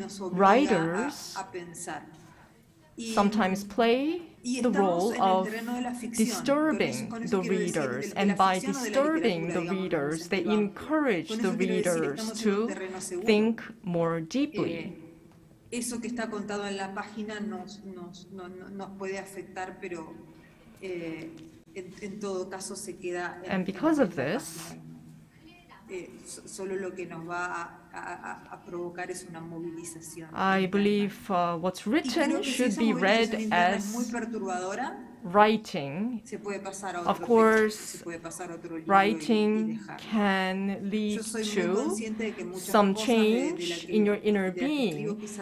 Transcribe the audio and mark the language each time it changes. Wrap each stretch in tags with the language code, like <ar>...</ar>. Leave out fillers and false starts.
<en>Writers sometimes play the role of disturbing the readers, and by disturbing the readers, they encourage the readers to think more deeply.</en> <es>Eso que está contado en la página nos puede afectar, pero en todo caso se queda.</es> <en>And because of this,</en> <es>solo lo que nos va a provocar es una movilización.</es> <en>I believe what's written should be read as writing.</en> <es>Se puede pasar a otro.</es> <en>Of course, writing can lead to some change in your inner being.</en>